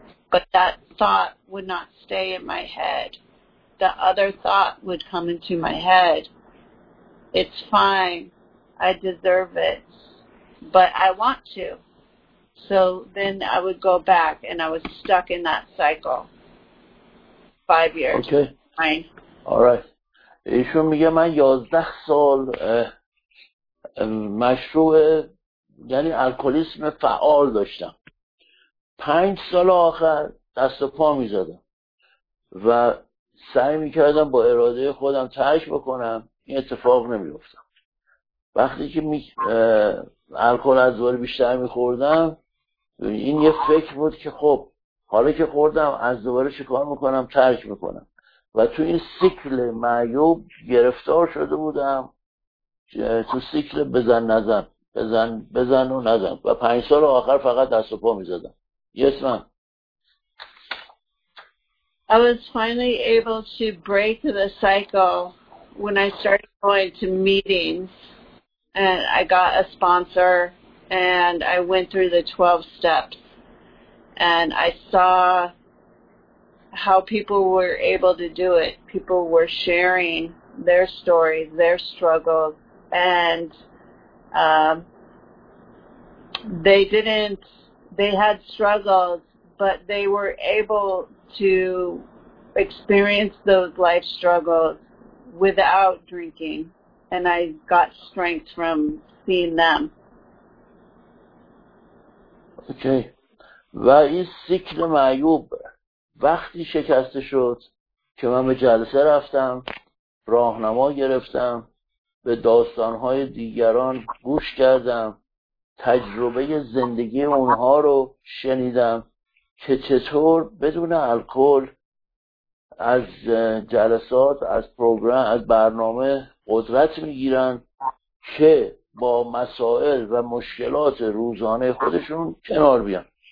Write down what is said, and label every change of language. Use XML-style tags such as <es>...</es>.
<en>But that thought would not stay in my head. The other thought would come into my head. It's fine. I deserve it. But I want to. So then I would go back, and I was stuck in that cycle. 5 years. Okay. Fine. All right.</en> <fa>ایشون میگه من 11 سال مشروب یعنی الکلیسم فعال داشتم. 5 سال آخر دست و پا میزدم و سعی میکردم با اراده خودم ترک بکنم، این اتفاق نمیفتم. وقتی که الکل از دوار بیشتر میخوردم، این یه فکر بود که خب حالا که خوردم از دوباره چیکار میکنم؟ ترک میکنم. و تو این سیکل معیوب گرفتار شده بودم، تو سیکل بزن نزن، بزن بزن و نزن، و 5 سال آخر فقط دست و پا میزدم.</fa> <en>Yes من I was finally able to break the cycle when I started going to meetings and I got a sponsor and I went through the 12 steps and I saw how people were able to do it. People were sharing their stories, their struggles, and they had struggles, but they were able to experience those life struggles without drinking, and I got strength from seeing them. Okay.</en> <fa>و این سیکل معیوب وقتی شکسته شد که من به جلسه رفتم، راهنما گرفتم، به داستانهای دیگران گوش کردم، تجربه زندگی اونها رو شنیدم که چطور بدون الکل از جلسات، از پروگرام، از برنامه قدرت میگیرن که با مسائل و مشکلات روزانه خودشون کنار بیان.</fa>